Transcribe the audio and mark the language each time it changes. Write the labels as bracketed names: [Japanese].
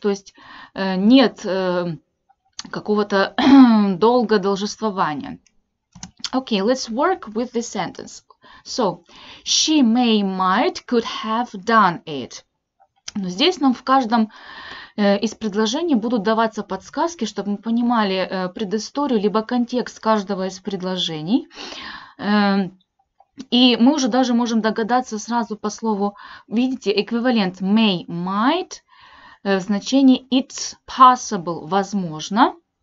[Russian] То есть нет какого-то долга должествования. [English] Okay, let's work with the sentence. So, she may, might, could have done it. [Russian] Но здесь нам в каждом из предложений будут даваться подсказки, чтобы мы понимали предысторию, либо контекст каждого из предложений. И мы уже даже можем догадаться сразу по слову, видите, эквивалент may, might, в значении [English] it's possible, [Russian] возможно.